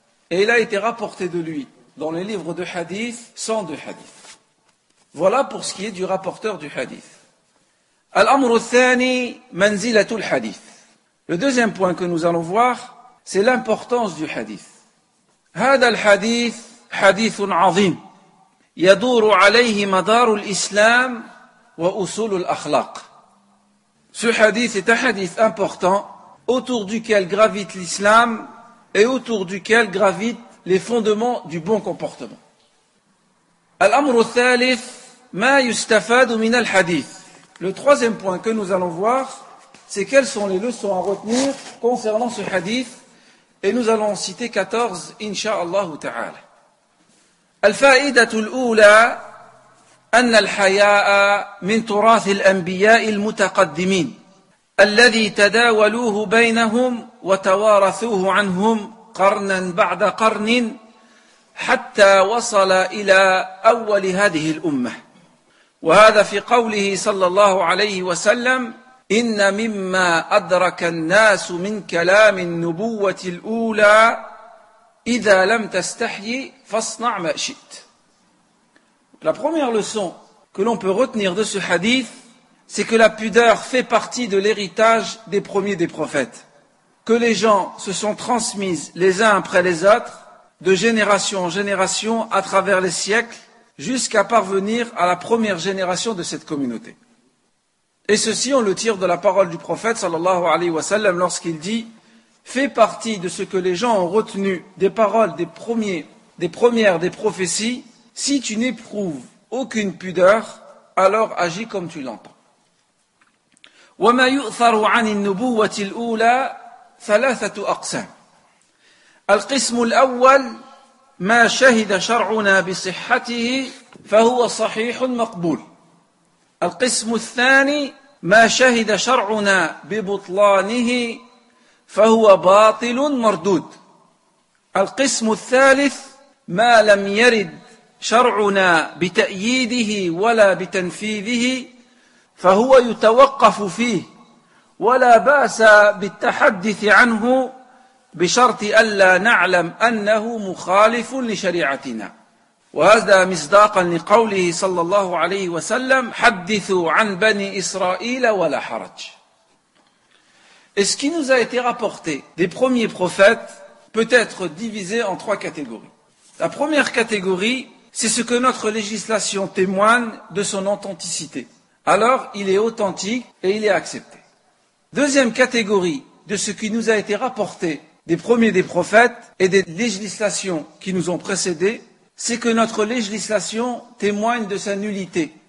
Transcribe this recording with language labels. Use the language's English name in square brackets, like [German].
[French] Et il a été rapporté de lui dans les livres de hadith, 102 hadith. Voilà pour ce qui est du rapporteur du hadith. [Arabic] Al-Amru Thani, Manzilatul Hadith. [French] Le deuxième point que nous allons voir, c'est l'importance du hadith. [Arabic] Hada al-Hadith, Hadithun Azim. يدور عليه مدار الإسلام وأصول الأخلاق. [French] Ce hadith est un hadith important autour duquel gravite l'islam et autour duquel gravitent les fondements du bon comportement. [Arabic] الأمر الثالث ما يستفاد من الحديث. [French] Le troisième point que nous allons voir, c'est quelles sont les leçons à retenir concernant ce hadith et nous allons en citer 14 [Arabic] inshallah ta'ala. الفائدة الأولى أن الحياء من تراث الأنبياء المتقدمين الذي تداولوه بينهم وتوارثوه عنهم قرنا بعد قرن حتى وصل إلى أول هذه الأمة. وهذا في قوله صلى الله عليه وسلم: إن مما أدرك الناس من كلام النبوة الأولى إذا لم تستحي فاصنع ما شئت. [French] La première leçon que l'on peut retenir de ce hadith, c'est que la pudeur fait partie de l'héritage des premiers des prophètes, que les gens se sont transmises les uns après les autres, de génération en génération, à travers les siècles, jusqu'à parvenir à la première génération de cette communauté. Et ceci, on le tire de la parole du prophète, [Arabic] sallallahu alayhi wa sallam, [French] lorsqu'il dit, fait partie de ce que les gens ont retenu des paroles des premiers, des premières des prophéties, si tu n'éprouves aucune pudeur, alors agis comme tu l'entends. [Arabic] وَمَا يُؤْثَرُ عَنِ النُّبُوَّةِ الْأُولَى ثَلَاثَةُ أَقْسَامٍ الْقِسْمُ الْأَوَّلِ مَا شَهِدَ شَرْعُنَا بِصِحَّتِهِ فَهُوَ صَحِيحٌ مَقْبُولٌ الْقِسْمُ الثَّانِي مَا شَهِدَ شَرْعُنَا بِبُطْلَانِهِ فَهُوَ بَاطِلٌ مَرْدُودٌ الْقِسْمُ الثَّالِثُ مَا لَمْ يَرِدْ شرعنا بتأييده ولا بتنفيذه فهو يتوقف فيه ولا بأس بالتحدث عنه بشرط ألا نعلم أنه مخالف لشريعتنا. وهذا مصداقا لقوله صلى الله عليه وسلم: حدثوا عن بني إسرائيل ولا حرج. [French] Et ce qui nous a été rapporté des premiers prophètes peut être divisé en trois catégories. La première catégorie, c'est ce que notre législation témoigne de son authenticité. Alors, il est authentique et il est accepté. Deuxième catégorie de ce qui nous a été rapporté des premiers des prophètes et des législations qui nous ont précédés, c'est que notre législation témoigne de sa nullité.